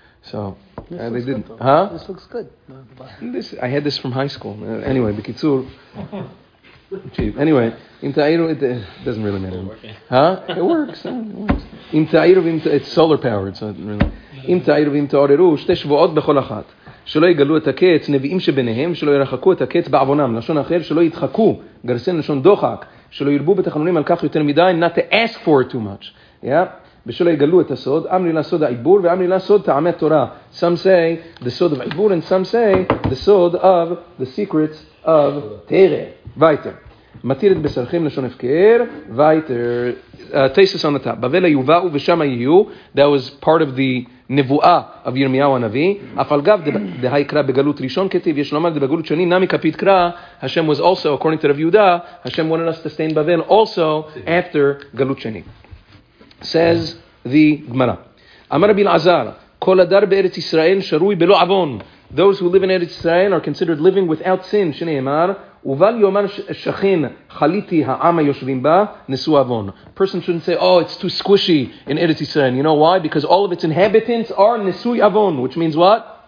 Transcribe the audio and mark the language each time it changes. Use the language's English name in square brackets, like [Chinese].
[English] So they didn't. Good, huh? This looks good. I had this from high school. Anyway, bikitsur. Anyway, im ta'iru, it doesn't really matter. It works. It's solar powered, so it doesn't really. [Hebrew] Im ta'iru im ta'oreru shtei shvuot bechol achat. שלא יגלו את הקץ, נביאים שביניהם, שלא ירחקו את הקץ בעוונם, לשון אחר, שלא ידחקו, גרסן לשון דוחק, שלא ירבו בתחנונים על כך יותר מדי, [English] not to ask for too much. [Hebrew] Yeah? ושלא יגלו את הסוד, אמרי לסוד העיבור, ואמרי לסוד טעמי התורה. [English] Some say the sod of העיבור, and some say the sod of the secrets of תרא. [Hebrew] ויתר. מתיר את בשרכים לשון הפקר, ויתר. [English] תסס on the top. [Hebrew] בבל היובה ובשמה יהיו, [English] that was part of the [Hebrew] נבואה אב ירמיהו הנביא, אף על גב דהי קרא בגלות ראשון כתיב, יש לומר בגלות שני, נמי כפית קרא, השם [English] was also, according to [Hebrew] רב יהודה, השם [English] wanted us to stay in [Hebrew] בבל, also after גלות שני. [English] Says the גמרא. [Hebrew] אמר רבי אלעזר, כל הדר בארץ ישראל שרוי בלא עוון. [English] Those who live in Eretz Israel are considered living without sin, [Hebrew] שנאמר, ובל יאמר שכין, חליתי העם היושבים בה, נשוא אבון. [English] Person shouldn't say, oh, it's too squishy in Eretz Israel. You know why? Because all of its inhabitants are נשוא אבון, which means what?